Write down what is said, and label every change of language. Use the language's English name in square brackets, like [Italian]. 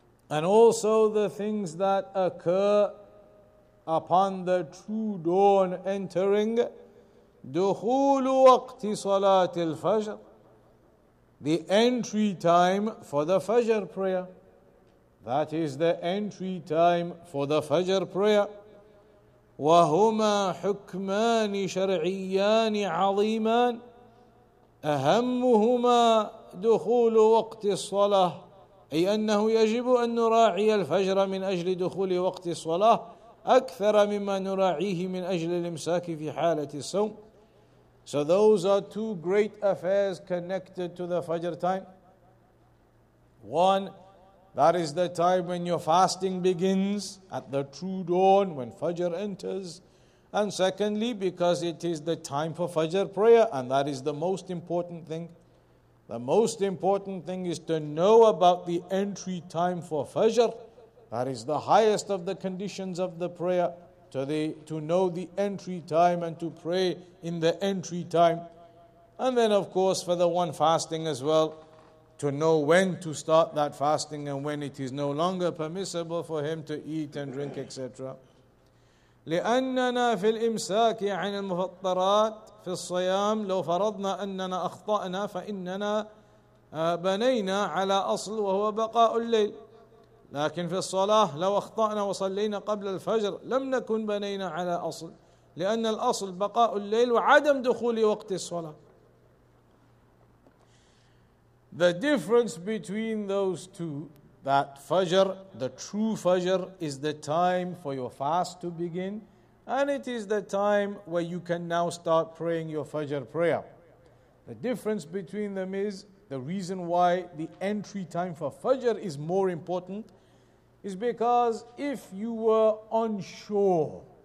[English] And also the things that occur upon the true dawn entering, [Arabic] دخول وقت صلاة الفجر, [English] the entry time for the Fajr prayer. That is the entry time for the Fajr prayer. [Arabic] وَهُمَا حُكْمَانِ شَرْعِيَّانِ عَظِيمَانِ أَهَمُّهُمَا دُخُولُ وَقْتِ الصَّلَةِ أي أنه يجب أن نراعي الفجر من أجل دخول وقت الصلاة أكثر مما نراعيه من أجل الإمساك في حالة الصوم. [English] So those are two great affairs connected to the Fajr time. One, that is the time when your fasting begins at the true dawn, when Fajr enters. And secondly, because it is the time for Fajr prayer, and that is the most important thing. The most important thing is to know about the entry time for Fajr. That is the highest of the conditions of the prayer, to know the entry time and to pray in the entry time. And then, of course, for the one fasting as well, to know when to start that fasting and when it is no longer permissible for him to eat and drink, etc. [Arabic] لأننا في الإمساك عن المفطرات في الصيام لو فرضنا أننا أخطأنا فإننا بنينا على أصل وهو بقاء الليل لكن في الصلاة لو أخطأنا وصلينا قبل الفجر لم نكن بنينا على أصل لأن الأصل بقاء الليل وعدم دخول وقت الصلاة. [English] The difference between those two, that Fajr, the true Fajr, is the time for your fast to begin, and it is the time where you can now start praying your Fajr prayer. The difference between them is, the reason why the entry time for Fajr is more important, is because if you were unsure,